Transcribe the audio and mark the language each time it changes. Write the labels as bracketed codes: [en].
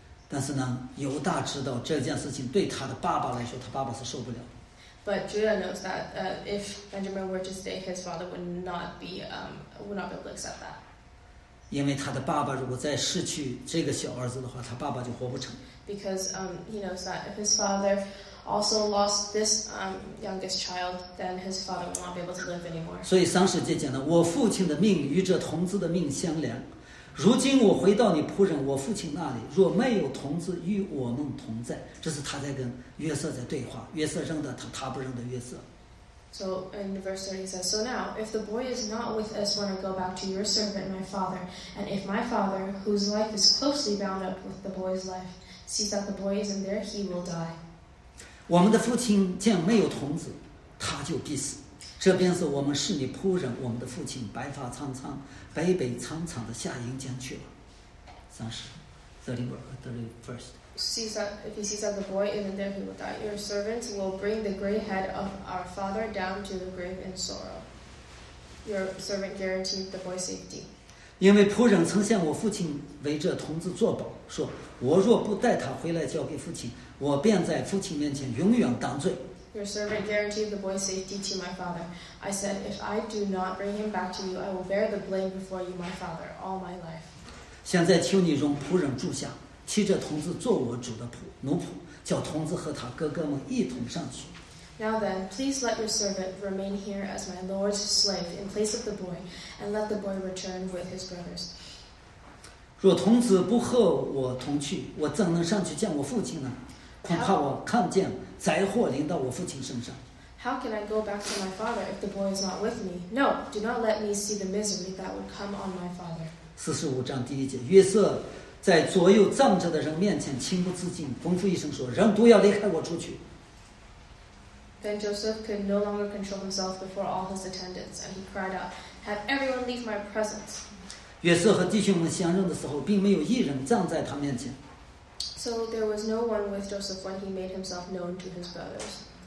[zh] 但是呢，犹大知道这件事情对他的爸爸来说，他爸爸是受不了。 [en] But Judah knows that if Benjamin were to stay, his father would not be able to accept that. [zh] 因为他的爸爸如果再失去这个小儿子的话，他爸爸就活不成。 [en] Because he knows that if his father also lost this youngest child, then his father will not be able to live anymore. [zh] 所以三十节讲的，我父亲的命与这童子的命相连。如今我回到你仆人我父亲那里，若没有童子与我们同在，这是他在跟约瑟在对话，约瑟认得他，他不认得约瑟。 [en] So in verse 30 says, So now, if the boy is not with us when I go back to your servant my father, and if my father, whose life is closely bound up with the boy's life, sees that the boy isn't there, he will die. [zh] 我们的父亲见没有童子，他就必死。这便是我们是你仆人，我们的父亲白发苍苍，北北苍苍的下营将去了。三十 31st. [en] If he sees that the boy isn't there, he will die. Your servants will bring the gray head of our father down to the grave in sorrow. Your servant guaranteed the boy's safety. [zh] 因为仆人曾向我父亲为这童子作保，说我若不带他回来交给父亲，我便在父亲面前永远当罪。 [en] Your servant guaranteed the boy's safety to my father. I said, if I do not bring him back to you, I will bear the blame before you, my father, all my life. [zh] 现在求你容仆人住下，替这童子做我主的仆奴仆，叫童子和他哥哥们一同上去。 [en] Now then, please let your servant remain here as my lord's slave in place of the boy, and let the boy return with his brothers. [zh] 若童子不和我同去，我怎能上去见我父亲呢？恐怕我看见灾祸临到我父亲身上。 [en] How can I go back to my father if the boy is not with me? No, do not let me see the misery that would come on my father. [zh] 四十五章第一节，约瑟在左右站着的人面前情不自禁，吩咐一声说：“人都要离开我出去。” [en] Then Joseph could no longer control himself before all his attendants, and he cried out, "Have everyone leave my presence!" [zh] 约瑟和弟兄们相认的时候，并没有一人站在他面前。 So there was no one with Joseph when he made himself known to his brothers.